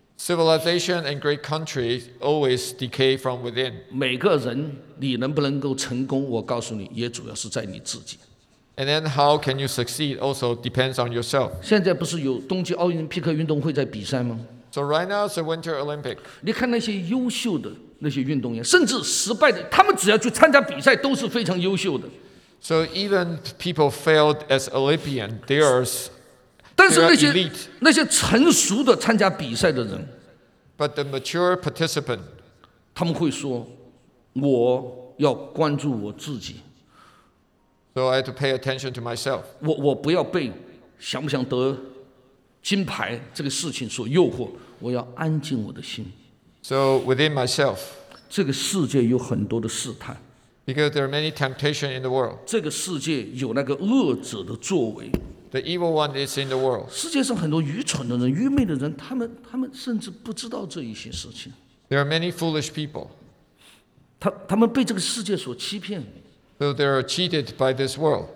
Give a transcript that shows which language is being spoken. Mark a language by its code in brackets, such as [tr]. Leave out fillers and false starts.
[en] Civilization and great countries always decay from within. [zh] 每个人你能不能够成功，我告诉你，也主要是在你自己。 [en] And then how can you succeed also depends on yourself. [zh] 现在不是有冬季奥林匹克运动会在比赛吗？ [en] So right now it's the Winter Olympics. [zh] 你看那些优秀的那些运动员，甚至失败的，他们只要去参加比赛，都是非常优秀的。 [en] So even people failed as Olympian, they are elite. [zh] 但是那些成熟的参加比赛的人 [en] ，But the mature participant, [zh] 他们会说，我要关注我自己。 [en] So I had to pay attention to myself. [zh] 我不要被想不想得金牌这个事情所诱惑，我要安静我的心。 [en] So within myself, [zh] 这个世界有很多的试探。 [en] Because there are many temptations in the world. [zh] 这个世界有那个恶者的作为。 [en] The evil one is in the world. [zh] 世界上很多愚蠢的人、愚昧的人，他们甚至不知道这一些事情。 [en] There are many foolish people. [zh] 他们被这个世界所欺骗。 [en] So they are cheated by this world.